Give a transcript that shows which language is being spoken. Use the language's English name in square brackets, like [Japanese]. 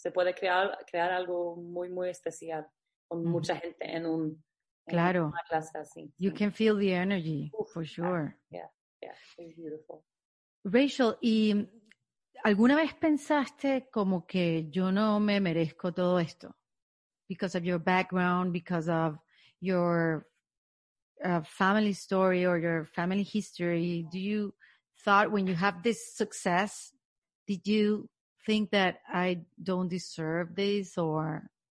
[Spanish] Se puede crear algo muy, muy especial con mucha gente en un, claro, en una clase así. [English] You can feel the energy, for sure. Yeah, it's beautiful. [Spanish] Rachel, ¿y alguna vez pensaste como que yo no me merezco todo esto? [English] Because of your background, because of your family story or your family history, do you thought when you have this success, did you think that I don't deserve this, or